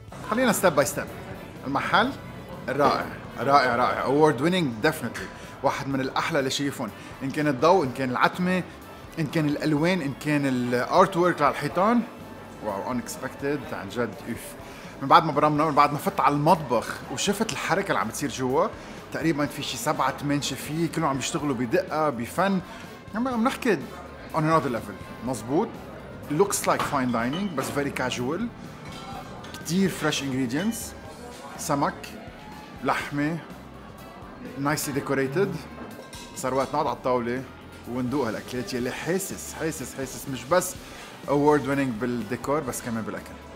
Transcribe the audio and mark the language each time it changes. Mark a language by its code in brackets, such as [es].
[ar] خلينا [en] step by step. [ar] المحل رائع رائع رائع award winning definitely. واحد من الأحلى اللي شايفهم. إن كان الضوء إن كان العتمة إن كان الألوان إن كان ال artwork على الحيطان. [en] Wow unexpected [ar] عن جد. أوف. من بعد ما برمنا من بعد ما فت على المطبخ وشفت الحركة اللي عم تصير جوا تقريبا في شي 7-8 شيفيه كلهم عم يشتغلوا بدقة بفن. عم نحكي [en] on another level. [ar] مزبوط. [en] Looks like fine dining بس very casual. كتير fresh ingredients, سمك, لحمة, nicely decorated. [ar] صار وقت نقعد على الطاولة وندوق هالأكلات يلي حاسس حاسس حاسس مش بس award winning بالديكور بس كمان بالأكل.